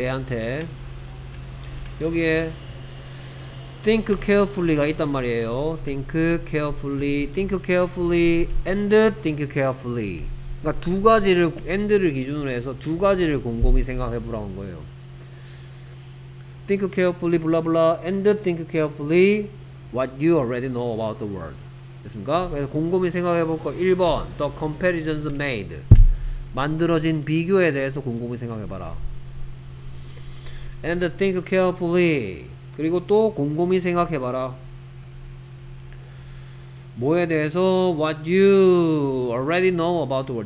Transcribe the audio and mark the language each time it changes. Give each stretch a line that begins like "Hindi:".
Korean: 얘한테 여기에
English: think carefully
Korean: 가 있단 말이에요.
English: think carefully and think carefully.
Korean: 그러니까 두 가지를 and를 기준으로 해서 두 가지를 곰곰이 생각해보라는 거예요.
English: Think carefully, blah blah, and think carefully what you already know about the world.
Korean: 됐습니까? 그래서 곰곰이 생각해볼 거.
English: 1번, the comparisons made.
Korean: 만들어진 비교에 대해서 곰곰이 생각해봐라.
English: And think carefully.
Korean: 그리고 또 곰곰이 생각해봐라. 뭐에 대해서
English: what you already know about the world.